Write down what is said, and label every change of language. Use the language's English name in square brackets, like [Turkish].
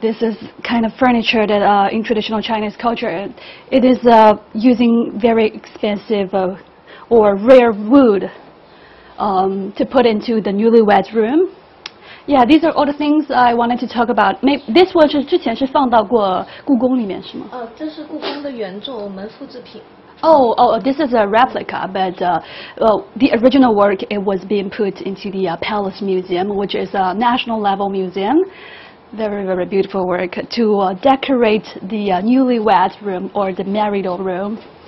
[English] This is kind of furniture that in traditional Chinese culture, it is using very expensive or rare wood to put into the newlywed's room. Yeah, these are all the things I wanted to talk about. This one is [Chinese] 之前是放到过故宫里面是吗？这是故宫的原作，我们复制品。 [English] Oh, this is a replica, but the original work, it was being put into the Palace Museum, which is a national level museum. Very, very beautiful work to decorate the newlywed room or the marital room.